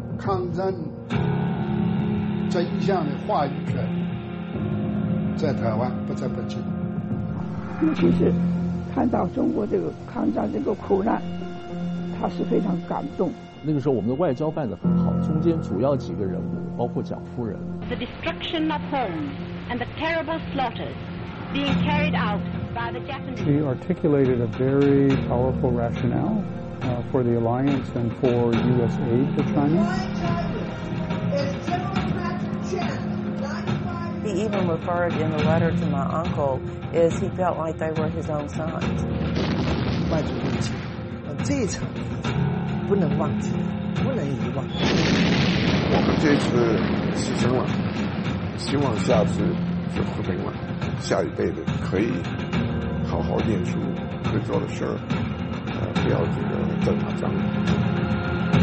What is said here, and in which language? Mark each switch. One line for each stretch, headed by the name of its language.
Chinese: 抗战真相的话语权在台湾不在北京，尤其是看到中国这个抗战这个苦难，他是非常感动。那个时候我们的外交办得很好，中间主要几个人物包括蒋夫人。
English: The destruction of homes and the terrible slaughters being carried outShe articulated a very powerful rationale for the alliance and for U.S. aid to China. He even referred in the letter to my uncle as he felt like they were his own sons.
Chinese: 外族入侵，这一场不能忘记，不能遗忘。我们这次牺牲了，希望下次是和平了，下一辈子可以。好好念书，会做的事儿，不要这个正打仗。